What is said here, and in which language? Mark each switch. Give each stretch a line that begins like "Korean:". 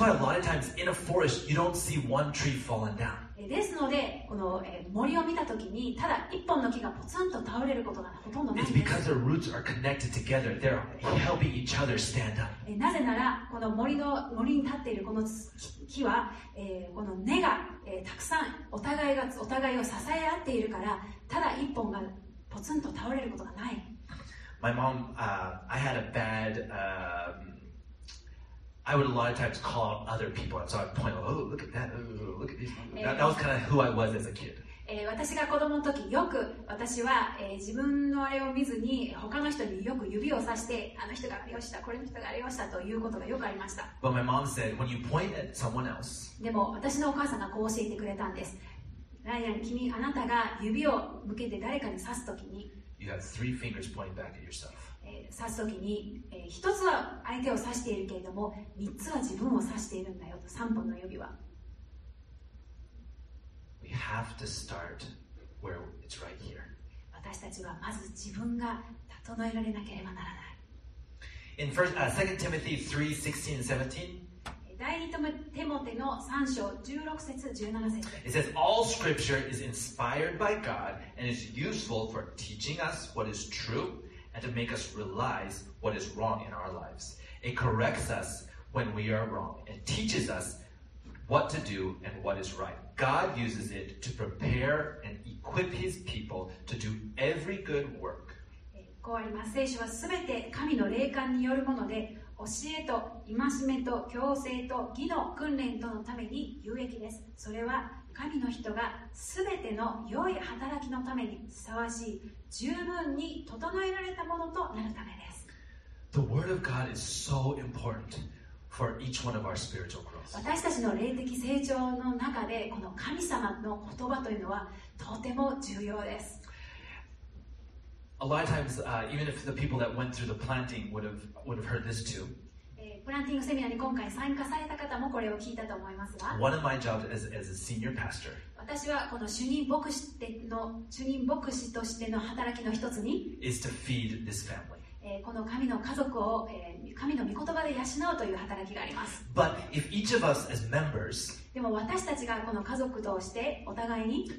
English: That's why a lot of times in a forest you don't see one tree falling down.
Japanese: ですのでこの、森を見たときにただ一本の木がポツンと倒れることがほとんどないです。
English: It's because their roots are connected together. They're helping each other stand up.
Japanese: なぜならこの森に立っているこの木は、この根が、たくさんお互いを支え合っているから、ただ一本がポツンと倒れることがない。
English: My mom, I had a bad, I would a lot of times call out other people, and so I'd point out, oh, look at that, oh, look at this. That was kind of who I was as a kid.
Japanese: 私が子供の時、よく私は、自分のあれを見ずに他の人によく指を指して、あの人がありました、これの人がありましたということがよくありました。
English: But my mom said, when you point at someone else,
Japanese: でも私のお母さんがこう教えてくれたんです。ライアン、君、あなたが指を向けて誰かに指すときに、
English: You have three fingers pointing back at yourself.
Japanese: 刺すときに、一つは相手を刺しているけれども、三つは自分を刺しているんだよと、三本の指は。
English: We have to start where it's right here.
Japanese: 私たちはまず自分が整えられなければならない。
English: In 2 Timothy 3:16 and 17,
Japanese: 第2テモテの3章16節17節。
English: It says, All scripture is inspired by God and is useful for teaching us what is true and to make us realize what is wrong in our lives. It corrects us when we are wrong and teaches us what to do and what is right. God uses it to prepare and equip his people to do every good work.
Japanese: こうあります。聖書はすべて神の霊感によるもので、教えと戒めと強制と義の訓練とのために有益です。それは神の人がすべての良い働きのためにふさわしい、十分に整えられたものとなるためです。
English: The word of God is so important for each one of our spiritual growth.
Japanese: 私たちの霊的成長の中で、この神様の言葉というのはとても重要です。
English: A lot of times, even if the people that went through the planting would have heard this too.
Japanese: プランティングセミナーに今回参加された方もこれを聞いたと思いますが、
English: One of my jobs as a senior pastor,
Japanese: 私はこの主任牧師としての働きの一つに
English: is to feed this family.
Japanese: この神の家族を、神の御言葉で養うという働きがあります。
English: But if each of us as members,
Japanese: でも私たちがこの家族としてお互いに